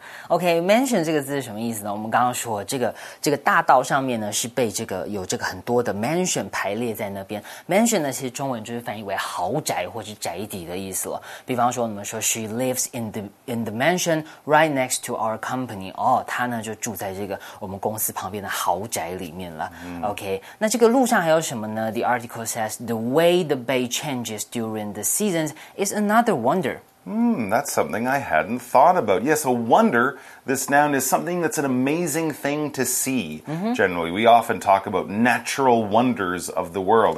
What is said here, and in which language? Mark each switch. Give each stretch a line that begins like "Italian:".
Chinese: Okay, mansion 这个字是什么意思呢？我们刚刚说这个大道上面呢是被这个有这个很多的 mansion 排列在那边。 Mansion 呢其实中文就是翻译为豪宅或是宅邸的意思了。比方说我们说
English: She lives in the mansion right next to our company.
Chinese: 哦，她呢就住在这个我们公司旁边的豪宅里面了。 Okay, 那这个路上还有什么呢？
English: The article says the way the bay changes during the seasons is another wonder. That's something I hadn't thought about. Yes, a wonder, this noun is something that's an amazing thing to see. Mm-hmm. Generally, we often talk about natural wonders of the world.